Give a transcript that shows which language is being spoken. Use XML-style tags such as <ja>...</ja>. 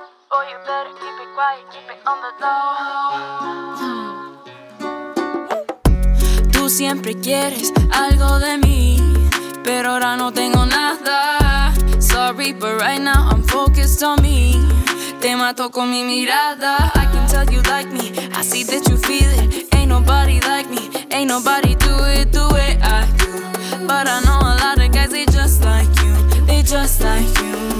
<en>Boy, you better keep it quiet, keep it on the low.</en> <es>Tú siempre quieres algo de mí, pero ahora no tengo nada.</es> <en>Sorry, but right now I'm focused on me.</en> <es>Te mato con mi mirada.</es> <en>I can tell you like me, I see that you feel it. Ain't nobody like me, ain't nobody do it the way I do. But I know a lot of guys, they just like you, they just like you.</en>